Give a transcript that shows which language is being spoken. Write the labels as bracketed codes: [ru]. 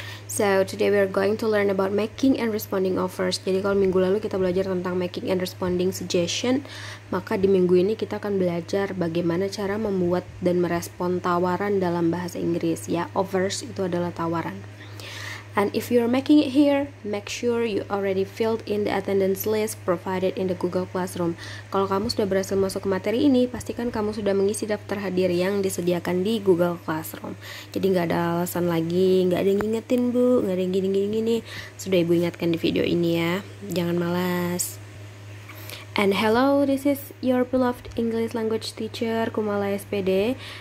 [en] So, today we are going to learn about making and responding offers. [id] Jadi kalau minggu lalu kita belajar tentang [en] making and responding suggestion, [id] maka di minggu ini kita akan belajar bagaimana cara membuat dan merespon tawaran dalam bahasa Inggris ya. Offers itu adalah tawaran. [en] And if you're making it here, make sure you already filled in the attendance list provided in the Google Classroom. [id] Kalau kamu sudah berhasil masuk ke materi ini, pastikan kamu sudah mengisi daftar hadir yang disediakan di Google Classroom. Jadi nggak ada alasan lagi, nggak ada yang ngingetin bu, nggak ada yang gini-gini. Sudah ibu ingatkan di video ini ya, jangan malas. [en] And hello, this is your beloved English language teacher, Kumala SPD.